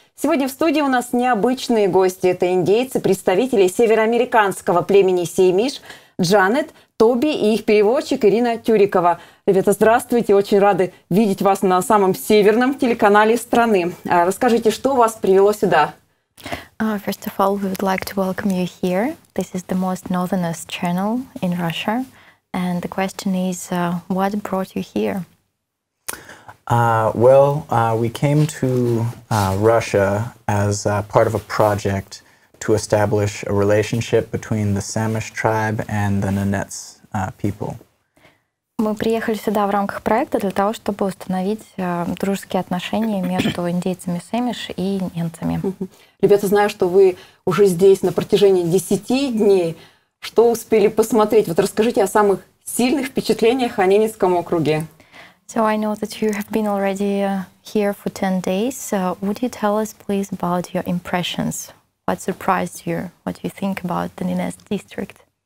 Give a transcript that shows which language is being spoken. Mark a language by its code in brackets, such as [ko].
[ru] Сегодня в студии у нас необычные гости. Это индейцы, представители североамериканского племени Сеймиш, Джанет, Тоби и их переводчик Ирина Тюрикова. Ребята, здравствуйте, очень рады видеть вас на самом северном телеканале страны. Расскажите, что вас привело сюда? [en] First of all, we would like to welcome you here. This is the most northernest channel in Russia. And the question is, what brought you here? We came to Russia as part of a project to establish a relationship between the Samish tribe and the Nenets people. [ru] Мы приехали сюда в рамках проекта для того, чтобы установить дружеские отношения между индейцами Сэмиш и ненцами. Ребята, знаю, что вы уже здесь на протяжении 10 дней. Что успели посмотреть? Вот расскажите о самых сильных впечатлениях о Ненецком округе. [en] So I know that you have been already here for 10 days. Would you tell us, please, about your impressions? What surprised you? What do you think about the Nenets district?